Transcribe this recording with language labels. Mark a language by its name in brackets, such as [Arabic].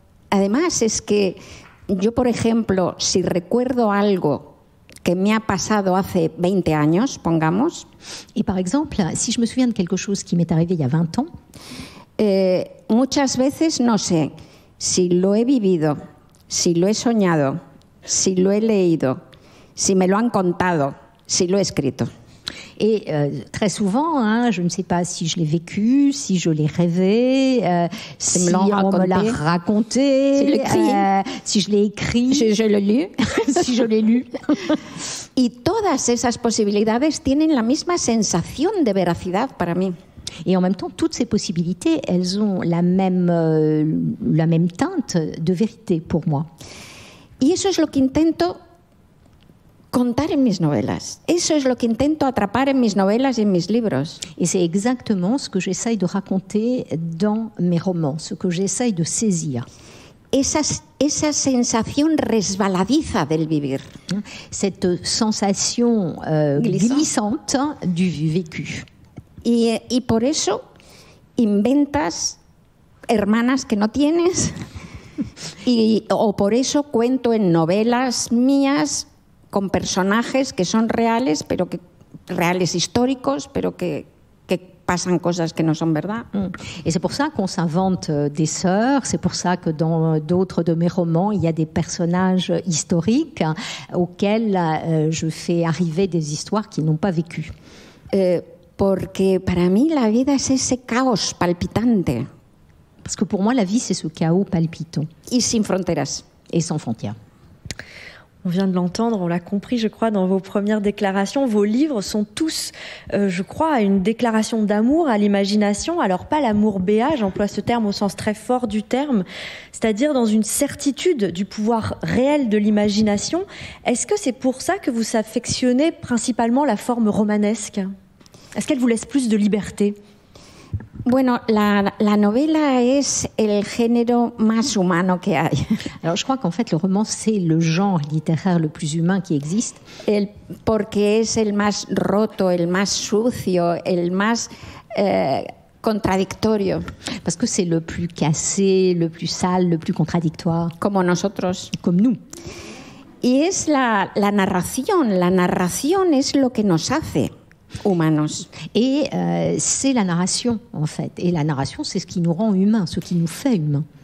[Spanish] Además, es que yo, por ejemplo, si recuerdo algo que me ha pasado hace 20 años, pongamos. [French] Et par exemple, si je me souviens de quelque chose qui m'est arrivé il y a 20 ans, [Spanish] muchas veces no sé si lo he vivido, si lo he soñado, si lo he leído, si me lo han contado, si lo he escrito. [French] Et très souvent, hein, je ne sais pas si je l'ai vécu, si je l'ai rêvé, si on me l'a raconté, si je l'ai écrit, si je l'ai lu, si je l'ai lu. [Spanish] Et todas esas posibilidades tienen la misma sensación de veracidad para mí. [French] Et en même temps, toutes ces possibilités, elles ont la même teinte de vérité pour moi. [Spanish] Y eso es lo que intento. Contar en mis novelas. Eso es lo que intento atrapar en mis novelas y en mis libros. Y es exactamente lo que [French] j'essaye de raconter [Spanish] en mis romans, lo que [French] j'essaye de saisir. [Spanish] Esa sensación resbaladiza del vivir. [French] Cette sensación glissante du vécu. [Spanish] Y por eso inventas hermanas que no tienes. O por eso cuento en novelas mías. Con personajes que son reales, pero que reales históricos, pero que pasan cosas que no son verdad. [French] Et c'est pour ça qu'on s'invente des sœurs, c'est pour ça que dans d'autres de mes romans, il y a des personnages historiques auxquels je fais arriver des histoires qu'ils n'ont pas vécues. [Spanish] Porque para mí la vida es ese caos palpitante. [French] Parce que pour moi, la vie, c'est ce chaos palpitant. [Spanish] Y sin fronteras. [French] Et sans frontières. On vient de l'entendre, on l'a compris, je crois, dans vos premières déclarations. Vos livres sont tous, je crois, à une déclaration d'amour à l'imagination. Alors, pas l'amour béat, j'emploie ce terme au sens très fort du terme, c'est-à-dire dans une certitude du pouvoir réel de l'imagination. Est-ce que c'est pour ça que vous affectionnez principalement la forme romanesque? Est-ce qu'elle vous laisse plus de liberté? [Spanish] Bueno, la novela es el género más humano que hay. [French] Alors, je crois qu'en fait, le roman, c'est le genre littéraire le plus humain qui existe. [Spanish] Porque es el más roto, el más sucio, el más contradictorio. [French] Parce que c'est le plus cassé, le plus sale, le plus contradictoire. [Spanish] Como nosotros. [French] Comme nous. [Spanish] Y es la narración. La narración es lo que nos hace. Humanos. [French] Et c'est la narration, en fait. Et la narration, c'est ce qui nous rend humains, ce qui nous fait humains.